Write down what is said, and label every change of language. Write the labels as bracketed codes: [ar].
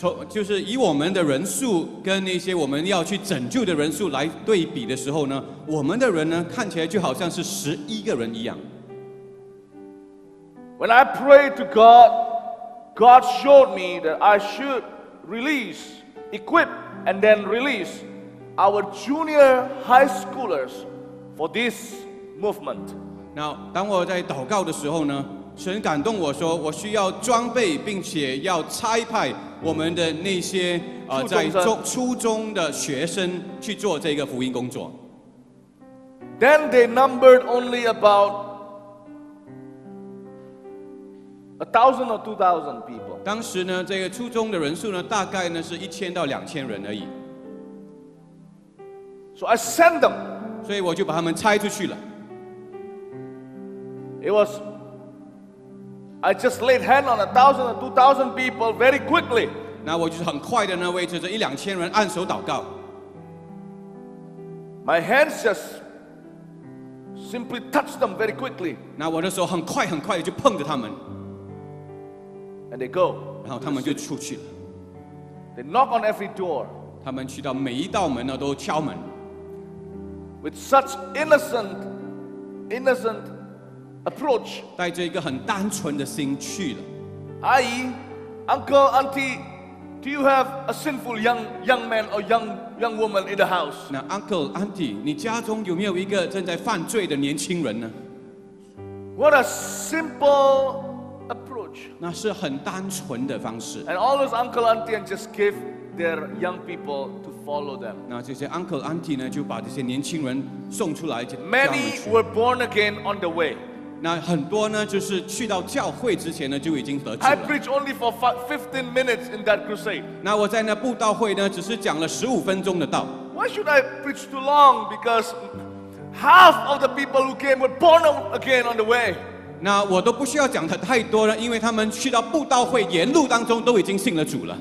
[zh] 就是以我们的人数跟那些我们要去拯救的人数来对比的时候呢，我们的人呢看起来就好像是十一个人一样。 [en] When I prayed to God, God showed me that I should release, equip, and then release our junior high schoolers for this movement. [zh] Now, 当我在祷告的时候呢，神感动我说，我需要装备并且要差派我们的那些在初中的学生去做这个福音工作。 [en] Then they numbered only about 1,000 or 2,000 people. [zh] 当时呢，这个初中的人数呢，大概呢是1,000 to 2,000人而已。 [en] So I sent them. [zh] 所以我就把他们拆出去了。 [en] I just laid hand on 1,000 or 2,000 people very quickly. [zh] 那我就是很快的呢，为这一两千人按手祷告。 [en] My hands just simply touched them very quickly. [zh] 那我的手很快就碰着他们。 [en] And they go. [zh] 然后他们就出去了。 [en] They knock on every door. [zh] 他们去到每一道门呢都敲门。 [en] With such innocent approach. [zh] 带着一个很单纯的心去了。 [en] 阿姨 ，Uncle, Auntie, do you have a sinful young man or young woman in the house? [zh] 那 Uncle, Auntie, 你家中有没有一个正在犯罪的年轻人呢 [en] ？What a simple approach. [zh] 那是很单纯的方式。 [en] And all those Uncle, Auntie, and just give their young people to follow them. [zh] 那这些 Uncle, Auntie 呢，就把这些年轻人送出来。 [en] Many were born again on the way. [zh] 那很多呢，就是去到教会之前呢，就已经得救了。 [en] I preached only for 15 minutes in that crusade. [zh] 那我在那布道会呢，只是讲了15分钟的道。 [en] Why should I preach too long? Because half of the people who came were born again on the way. [zh] 那我都不需要讲的太多了，因为他们去到布道会沿路当中都已经信了主了。